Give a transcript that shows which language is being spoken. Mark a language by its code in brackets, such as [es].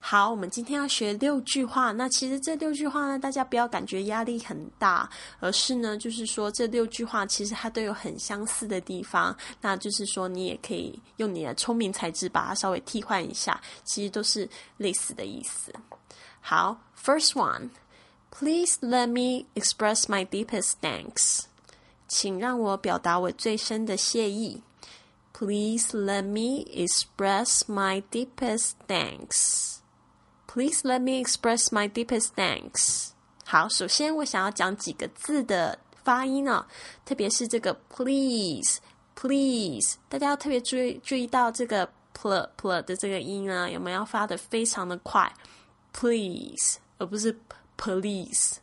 [zh] 好，我们今天要学六句话。那其实这六句话呢，大家不要感觉压力很大，而是呢，就是说这六句话其实它都有很相似的地方。那就是说你也可以用你的聪明才智把它稍微替换一下，其实都是类似的意思。 [en] 好 ，first one， please let me express my deepest thanks， [zh] 请让我表达我最深的谢意。 [en] Please let me express my deepest thanks. Please let me express my deepest thanks. [zh] 好，首先我想要讲几个字的发音哦，特别是这个 please, please, 大家要特别注意到这个 pl, pl 的这个音啊，有没有发得非常的快 ？Please, 而不是 police.